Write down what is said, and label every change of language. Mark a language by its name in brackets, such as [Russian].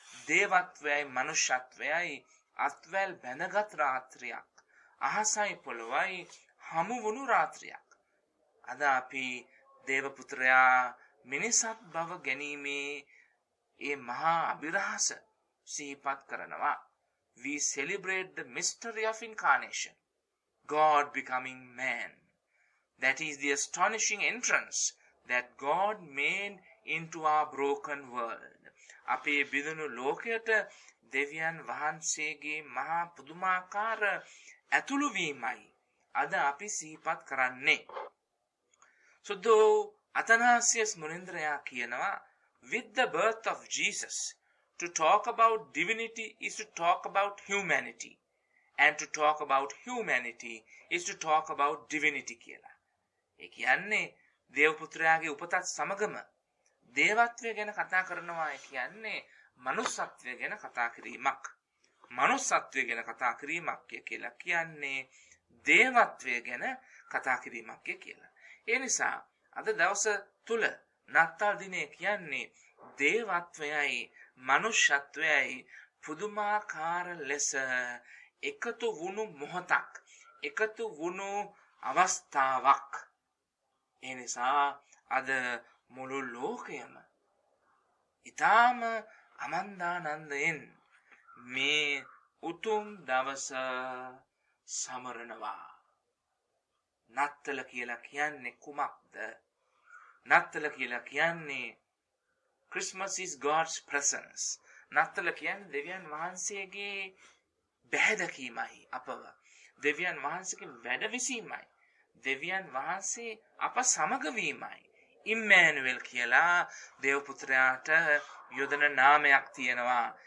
[Sinhala] දේවත්වයයි මනුෂ්‍යත්වයයි අත්වැල් බැනගත් රාත්‍රියක්. අහසයි පොළොවයි හමු වුණු රාත්‍රියක්. අද අපි දේවපුත්‍රයා මිනිසත් බව ගැනීමේ ඒ මහා අභිරහස සිහිපත් කරනවා. [English] We celebrate the mystery of incarnation. God becoming man. That is the astonishing entrance that God made into our broken world. [Sinhala] අපේ බිදුණු ලෝකයට දෙවියන් වහන්සේගේ මහා පුදුමාකාර ඇතුළු වීමයි අද අපි සිහිපත් කරන්නේ. සුද්ධෝ අතනාසියස් මුනින්ද්‍රයා කියනවා, [English] With the birth of Jesus, to talk about divinity is to talk about humanity. And to talk about humanity is to talk about divinity [Sinhala] කියලා. ඒ කියන්නේ දේවපුත්‍රයාගේ උපතත් සමගම දේවත්වය ගැන කතා කරනවා කියන්නේ මනුස්සත්වය ගැන කතා කිරීමක්. මනුස්සත්වය ගැන කතා කිරීමක් කියලා කියන්නේ දේවත්වය ගැන කතා කිරීමක් කියලා. ඒ නිසා අද දවස තුල නත්තල් දිනේ කියන්නේ දේවත්වයයි මනුෂ්‍යත්වයයි පුදුමාකාර ලෙස එකතු වුණු මොහොතක්, එකතු වුණු අවස්ථාවක්. ඒ නිසා අද මුළු ලෝකයම ඉතාම අමන්දානන්දයෙන් මේ උතුම් දවස සමරනවා. නත්තල කියලා කියන්නේ කුමක්ද? නත්තල කියලා කියන්නේ Christmas is God's presence. නත්තල කියන්නේ දෙවියන් වහන්සේගේ බැහැදකීමයි අපව. දෙවියන් වහන්සේගේ වැඩවිසීමයි. දෙවියන් වහන්සේ අප සමග වීමයි. Immanuel කියලා දේවපුත්‍රයාට යොදන නාමයක් තියෙනවා.